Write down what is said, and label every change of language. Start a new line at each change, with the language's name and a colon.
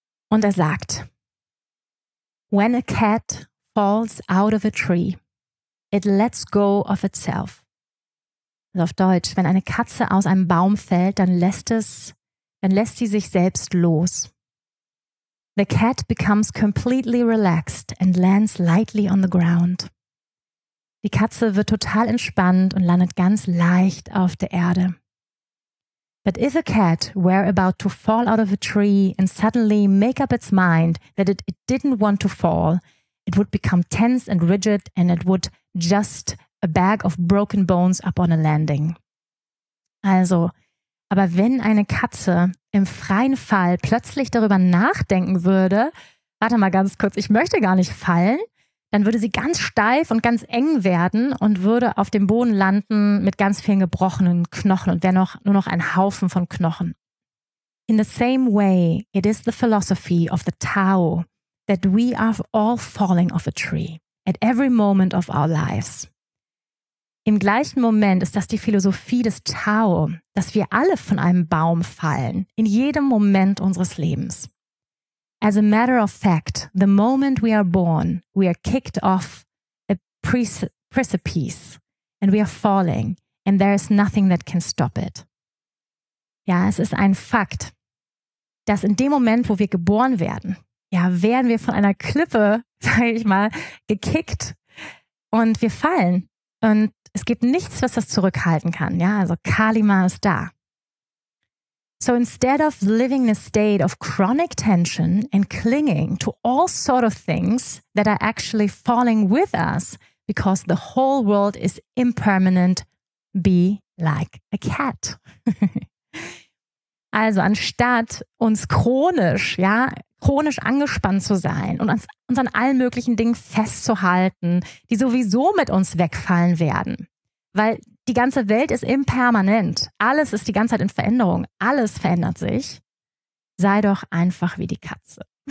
German: Und er sagt:
English: When a cat falls out of a tree, it lets go of itself.
German: Also auf Deutsch: Wenn eine Katze aus einem Baum fällt, dann lässt sie sich selbst los.
English: The cat becomes completely relaxed and lands lightly on the ground.
German: Die Katze wird total entspannt und landet ganz leicht auf der Erde.
English: But if a cat were about to fall out of a tree and suddenly make up its mind that it didn't want to fall, it would become tense and rigid and it would just a bag of broken bones up on a landing.
German: Also, aber wenn eine Katze im freien Fall plötzlich darüber nachdenken würde, warte mal ganz kurz, ich möchte gar nicht fallen, dann würde sie ganz steif und ganz eng werden und würde auf dem Boden landen mit ganz vielen gebrochenen Knochen und wäre nur noch ein Haufen von Knochen.
English: In the same way, it is the philosophy of the Tao that we are all falling off a tree at every moment of our lives.
German: Im gleichen Moment ist das die Philosophie des Tao, dass wir alle von einem Baum fallen, in jedem Moment unseres Lebens.
English: As a matter of fact, the moment we are born, we are kicked off a precipice and we are falling and there is nothing that can stop it.
German: Ja, es ist ein Fakt, dass in dem Moment, wo wir geboren werden, ja, werden wir von einer Klippe, sage ich mal, gekickt und wir fallen. Und es gibt nichts, was das zurückhalten kann. Ja, also Kalima ist da.
English: So instead of living in a state of chronic tension and clinging to all sort of things that are actually falling with us because the whole world is impermanent, be like a cat.
German: Also anstatt uns chronisch angespannt zu sein und uns an allen möglichen Dingen festzuhalten, die sowieso mit uns wegfallen werden, weil die ganze Welt ist impermanent. Alles ist die ganze Zeit in Veränderung. Alles verändert sich. Sei doch einfach wie die Katze.